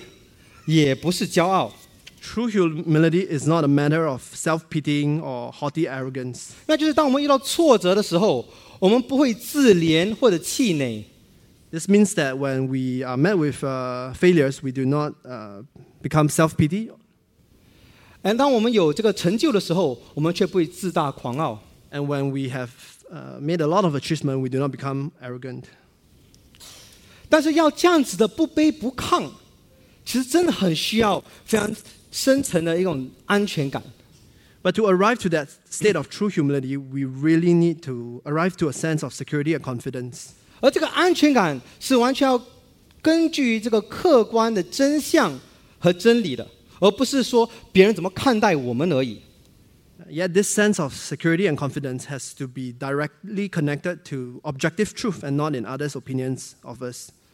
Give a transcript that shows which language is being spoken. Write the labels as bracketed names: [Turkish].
[Chinese] 因为真正的谦卑并不是自卑，也不是骄傲。 [English] True humility is not a matter of self-pitying or haughty arrogance. [Chinese] 那就是当我们遇到挫折的时候。 [English] This means that when we are met with failures, we do not become self-pity. And when we have made a lot of achievement, we do not become arrogant. [Chinese] 但是要这样子的不卑不亢，其实真的很需要非常深层的一种安全感。 [English] But to arrive to that state of true humility, we really need to arrive to a sense of security and confidence. [Chinese] 而这个安全感是完全要根据这个客观的真相和真理的，而不是说别人怎么看待我们而已。 [English] Yet this sense of security and confidence has to be directly connected to objective truth and not in others' opinions of us.